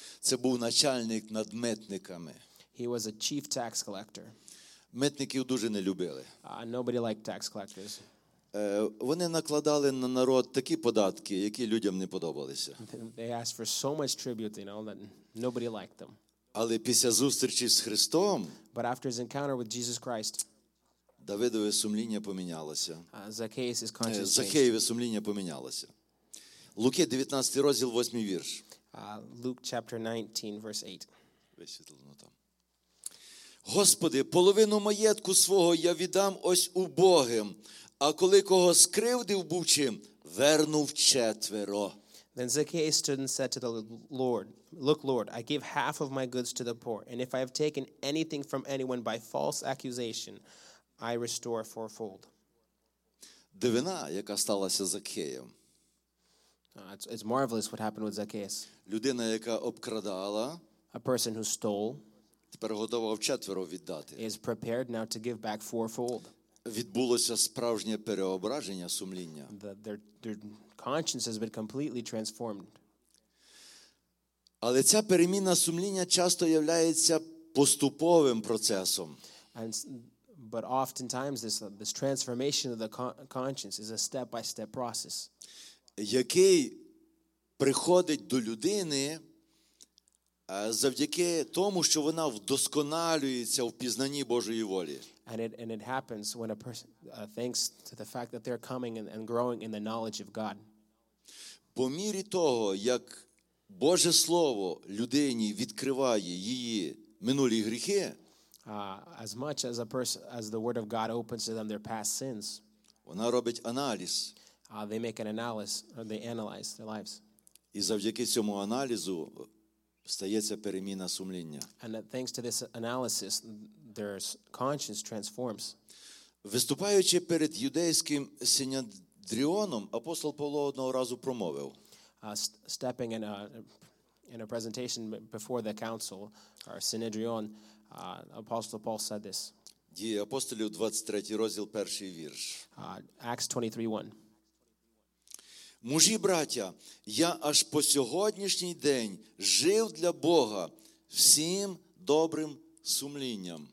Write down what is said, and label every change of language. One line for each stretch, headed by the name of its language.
Ukrainian: Це був начальник над митниками.
English: He was a chief tax collector.
Ukrainian: Митників дуже не любили.
English: Nobody liked tax collectors.
Ukrainian: Вони накладали на народ такі податки, які людям не подобалися.
English: They asked for so much tribute, you know, that nobody liked them.
Ukrainian: Але після зустрічі з Христом,
English: but after his encounter with Jesus Christ,
Ukrainian: Давидове сумління помінялося.
English: Zacchaeus' conscience changed.
Ukrainian: Захеєве сумління помінялося. Луки 19 розділ 8 вірш.
English: Luke chapter 19 verse 8.
Ukrainian: Висвітлено там. Господи, половину маєтку свого я віддам ось убогим, а коли кого скривдив був чим, верну в четверо.
English: Then Zacchaeus stood and said to the Lord, look, Lord, I give half of my goods to the poor, and if I have taken anything from anyone by false accusation, I restore fourfold.
Ukrainian: Дивина, яка сталася з Закхеєм.
English: It's marvelous what happened with Zacchaeus.
Ukrainian: Людина, яка обкрадала.
English: A person who stole.
Ukrainian: Тепер готова вчетверо віддати.
English: Is prepared now to give back fourfold.
Ukrainian: Відбулося справжнє переображення сумління.
English: Their conscience has been completely transformed.
Ukrainian: Але ця переміна сумління часто являється поступовим процесом.
English: But oftentimes this transformation of the conscience is a step-by-step process.
Ukrainian: Який приходить до людини завдяки тому, що вона вдосконалюється в пізнанні Божої волі.
English: And it happens when a person thanks to the fact that they're coming and growing in the knowledge of God.
Ukrainian: По мірі того, як Боже слово людині відкриває її минулі гріхи,
English: as the word of God opens to them their past sins.
Ukrainian: Вона робить аналіз.
English: They make an analysis, or they analyze their lives.
Ukrainian: І завдяки цьому аналізу стається переміна сумління.
English: And thanks to this analysis, their conscience transforms.
Ukrainian: Виступаючи перед юдейським синедріоном, апостол Павло одного разу промовив.
English: Stepping in a presentation before the council or Synedrion, Apostle Paul said this.
Ukrainian: Дії апостолів, 23 розділ, перший вірш.
English: Acts 23:1.
Ukrainian: Мужі, браття, я аж по сьогоднішній день жив для Бога всім добрим сумлінням.